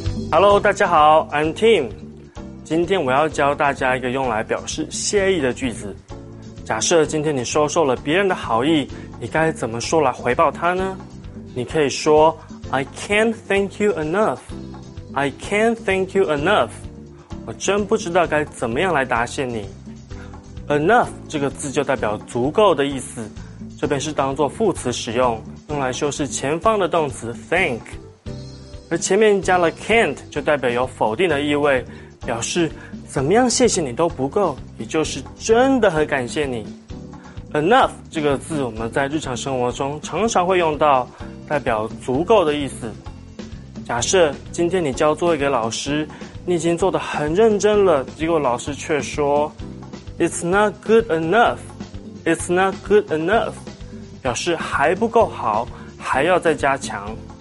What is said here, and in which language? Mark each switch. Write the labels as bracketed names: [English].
[English] Hello, [Chinese] 大家好 [English] I'm Tim. [Chinese] 今天我要教大家一个用来表示谢意的句子。假设今天你收受了别人的好意，你该怎么说来回报他呢？你可以说 [English] I can't thank you enough. I can't thank you enough. [Chinese] 我真不知道该怎么样来答谢你。Enough 这个字就代表足够的意思，这边是当作副词使用，用来修饰前方的动词 thank。而前面加了 can't 就代表有否定的意味。表示怎么样谢谢你都不够也就是真的很感谢你 Enough 这个字我们在日常生活中常常会用到代表足够的意思假设今天你交作业给老师你已经做得很认真了结果老师却说 [English] It's not good enough [Chinese] It's not good enough 表示还不够好还要再加强